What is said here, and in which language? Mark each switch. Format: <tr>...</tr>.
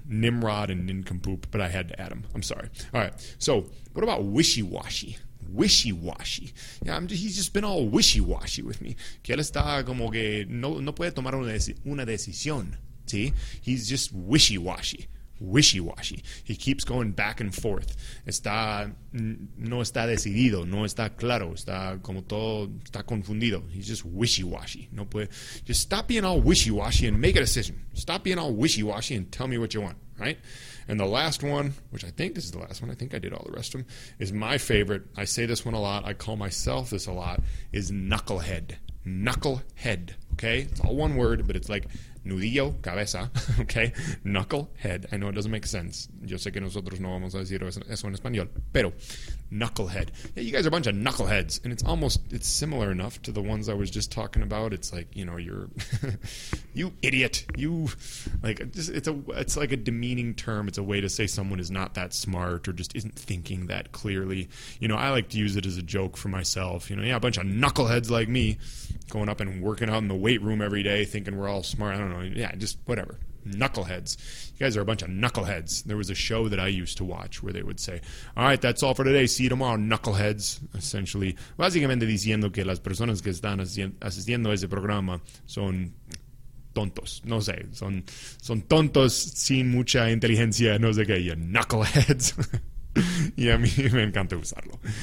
<en>Nimrod and nincompoop, but I had to add them. I'm sorry. All right, so what about wishy-washy? Wishy-washy. Yeah, he's just been all wishy-washy with me.</en> <es>Que él está como que no puede tomar una decisión.</es> <en>See, he's just wishy-washy, wishy-washy. He keeps going back and forth.</en> <es>No está decidido, no está claro, está como todo, está confundido.</es> <en>He's just wishy-washy.</en> <es>No puede.</es> <en>Just stop being all wishy-washy and make a decision. Stop being all wishy-washy and tell me what you want, right? And the last one, which I think this is the last one, I think I did all the rest of them, is my favorite. I say this one a lot. I call myself this a lot, is knucklehead. Knucklehead, okay? It's all one word, but it's like</en> <es>nudillo, cabeza,</es> <en>okay? Knucklehead. I know it doesn't make sense.</en> <es>Yo sé que nosotros no vamos a decir eso en español. Pero, knucklehead.</es> <en>Yeah, you guys are a bunch of knuckleheads. And it's similar enough to the ones I was just talking about. It's like, you know, you're, you idiot. You, like, just, it's like a demeaning term. It's a way to say someone is not that smart or just isn't thinking that clearly. You know, I like to use it as a joke for myself. You know, yeah, a bunch of knuckleheads like me going up and working out in the weight room every day thinking we're all smart. I don't know. Yeah, just whatever. Knuckleheads. You guys are a bunch of knuckleheads. There was a show that I used to watch where they would say, all right, that's all for today. See you tomorrow, knuckleheads.</en> <es>Essentially, básicamente diciendo que las personas que están asistiendo a ese programa son tontos. No sé. Son tontos sin mucha inteligencia. No sé qué.</es> <en>You knuckleheads.</en> <es>Y a mí me encanta usarlo.</es>